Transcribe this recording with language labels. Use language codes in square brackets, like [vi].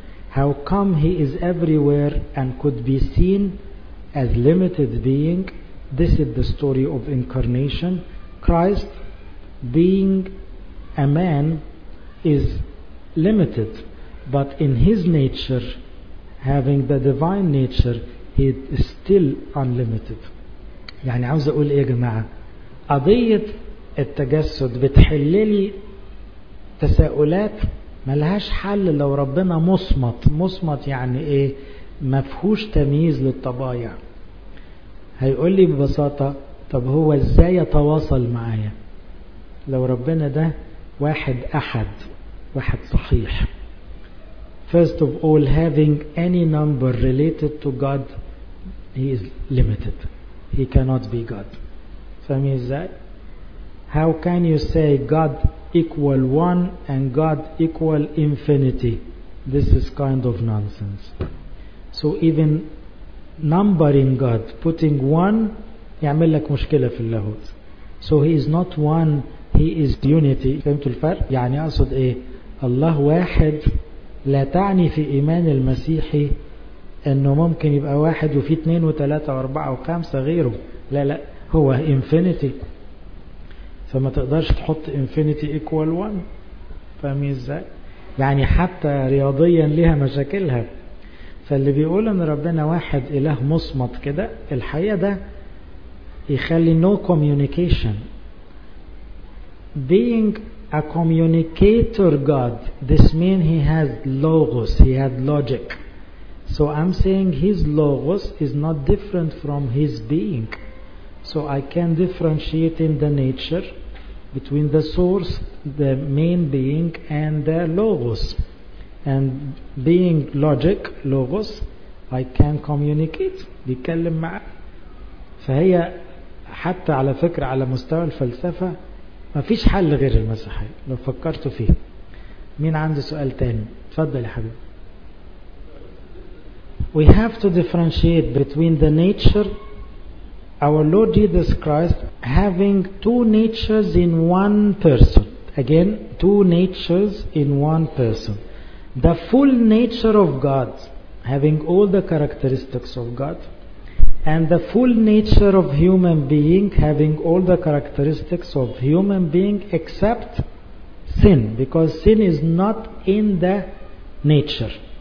[en] How come he is everywhere and could be seen as limited being? This is the story of incarnation. Christ, being a man, is limited, but in his nature, having the divine nature, he is still unlimited. [ar] يعني عاوز أقول إيه يا جماعة؟ قضية التجسد بتحللي تساؤلات ملهاش حل لو ربنا مصمت. مصمت يعني إيه؟ مفهوش تمييز للطبايع. هيقول لي ببساطة، طب هو إزاي يتواصل معايا لو ربنا ده واحد أحد، واحد صحيح؟ [en] First of all, having any number related to God, he is limited. He cannot be God. [ar] فهمي إزاي؟ [en] How can you say God equal one and God equal infinity? This is kind of nonsense. So even numbering God, putting one, [ar] يعمل لك مشكلة في اللاهوت. [en] So he is not one, he is unity. [ar] فهمت الفرق؟ يعني أقصد إيه؟ الله واحد لا تعني في إيمان المسيحي أنه ممكن يبقى واحد وفي اثنين وثلاثة وأربعة وخمسة غيره. لا لا، هو infinity. فما تقدرش تحط [en] infinity equal one. [ar] فهمي إزاي؟ يعني حتى رياضيا لها مشاكلها. فاللي بيقول ان ربنا واحد اله مصمت كده، الحقيقة ده يخلي [en] no communication. Being a communicator God, this means he has logos, he had logic. So I'm saying his logos is not different from his being. So I can differentiate in the nature between the source, the main being, and the logos. And being logic, logos, I can communicate. [ar] بيكلم معه. فهي حتى على فكرة على مستوى الفلسفة ما فيش حل غير المسيحية لو فكرت فيه. مين عندي سؤال تاني؟ تفضل يا حبيب. [en] We have to differentiate between the nature. Our Lord Jesus Christ having two natures in one person. Again, two natures in one person. The full nature of God, having all the characteristics of God, and the full nature of human being, having all the characteristics of human being except sin, because sin is not in the nature.